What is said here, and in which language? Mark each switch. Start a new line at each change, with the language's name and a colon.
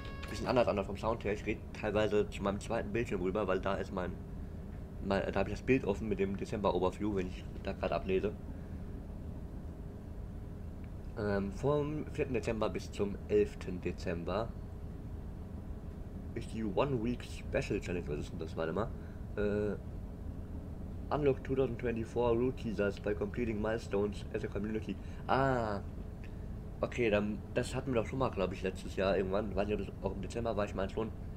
German: Bisschen anders vom Sound her. Ich rede teilweise zu meinem zweiten Bildschirm rüber, weil da ist mein da habe ich das Bild offen mit dem Dezember Overview, wenn ich da gerade ablese. Vom 4. Dezember bis zum 11. Dezember ist die One Week Special Challenge. Was ist denn das? Warte mal.
English: Unlock 2024 Root Teasers by completing Milestones as a Community. Ah.
German: Okay, dann das hatten wir doch schon mal, glaube ich, letztes Jahr irgendwann. Weiß nicht, ob das auch im Dezember war, ich meine schon.